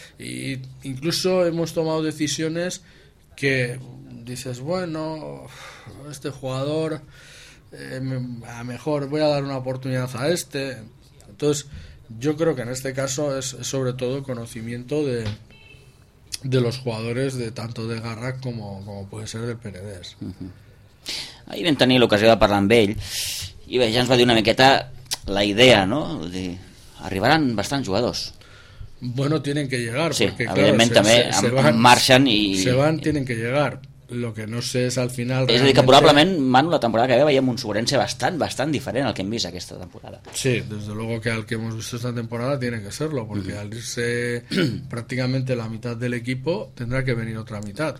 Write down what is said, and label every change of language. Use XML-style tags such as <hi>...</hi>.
<es>Y incluso hemos tomado decisiones que dices, bueno, este jugador, a lo mejor voy a dar una oportunidad a este. Entonces, yo creo que en este caso es sobre todo conocimiento de los jugadores, de tanto de Garrac como puede ser del Penedès. Uh-huh.</es> <ca>Ahir vam tenir l'ocasió de parlar amb ell i bé, ja ens va dir una miqueta la idea, ¿no? De, arribaran bastants jugadors.</ca> <es>Bueno, tienen que llegar, sí, porque evidentment, claro, se van,</es> <ca>marxen i</ca> <es>se van, tienen que llegar. Lo que no sé és al final</es> <ca>realment. És dir, que probablement, Manu, la temporada que ve veiem un Sogorense bastant diferent al que hem vist aquesta temporada.</ca> <es>Sí, desde luego que al que hemos visto esta temporada tiene que serlo, porque al irse prácticamente la mitad del equipo, tendrá que venir otra mitad.</es>